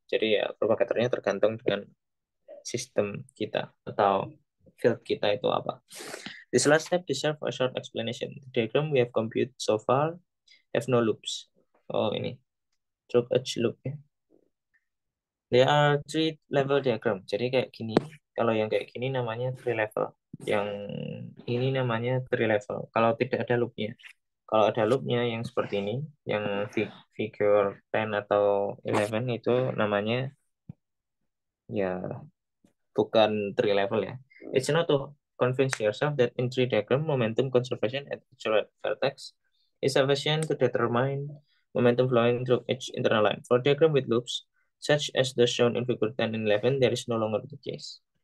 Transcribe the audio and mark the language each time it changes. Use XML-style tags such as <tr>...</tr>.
<id>Jadi ya, propagatornya tergantung dengan sistem kita atau field kita itu apa.</id> <en>This last step deserves a short explanation. The diagram we have computed so far have no loops.</en> <id>Oh ini,</id> <en>through each loop</en> <id>ya.</id> <en>There are three level diagram.</en> <id>Jadi kayak gini. Kalau yang kayak gini namanya</id> <en>three level.</en> <id>Yang ini namanya three level. Kalau tidak ada loopnya. Kalau ada loopnya yang seperti ini, yang figure 10 atau 11 itu namanya ya bukan</id> <en>three level</en> <id>ya.</id> <en>It's not to convince yourself that in three diagram momentum conservation at each vertex is sufficient to determine momentum flowing through each internal line. For diagram with loops, such as the shown in figure 10 and 11, there is no longer the case.</en>